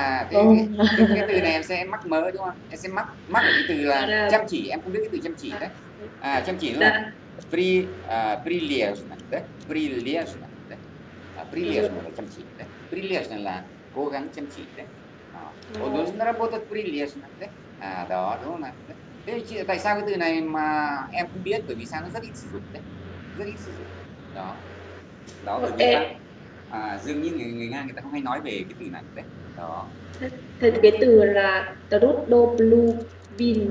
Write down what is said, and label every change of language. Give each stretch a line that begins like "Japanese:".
Vietnamese: Cái từ này em sẽ mắc mớ đúng không? Em sẽ mắc cái từ là chăm chỉ, em không biết cái từ chăm chỉ đấy. Chăm chỉ luôn.
Russian: Прилежно, đấy. Прилежно, đấy.
Vietnamese: Прилежно là chăm chỉ đấy. Прилежно là cố gắng chăm chỉ đấy.
Russian: Он должен работать прилежно, đấy.
Vietnamese: Đó đúng không nào? Thế tại sao cái từ này mà em không biết? Bởi vì sao, nó rất ít sử dụng đấy. Rất ít sử dụng. Đó. Đó là vì sao? Dường như người Nga người ta không hay nói về cái từ này đấy. Đó. Thế cái từ là trudobluvin.